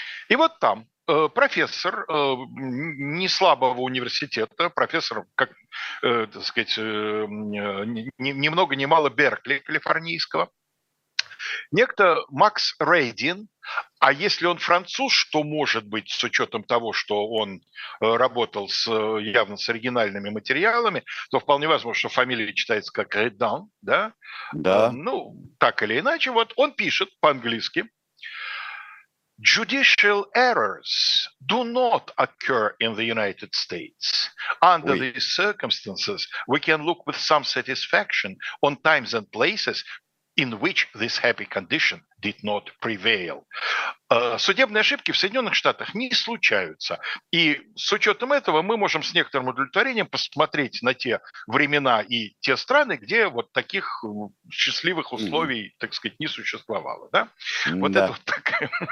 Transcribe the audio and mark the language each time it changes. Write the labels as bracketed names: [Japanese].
[Russian] И вот там профессор не слабого университета, профессор, как, так сказать, ни много ни мало Беркли калифорнийского, некто Макс Рейдин, а если он француз, то, может быть, с учетом того, что он работал явно с оригинальными материалами, то вполне возможно, что фамилия читается как Рейдан, да? Да. Ну, так или иначе, вот он пишет по-английски: [English] «Judicial errors do not occur in the United States. Under Oui. These circumstances, we can look with some satisfaction on times and places in which this happy condition did not prevail». [Russian] Судебные ошибки в Соединенных Штатах не случаются. И с учетом этого мы можем с некоторым удовлетворением посмотреть на те времена и те страны, где вот таких счастливых условий, так сказать, не существовало. Да? Вот да. Это вот так.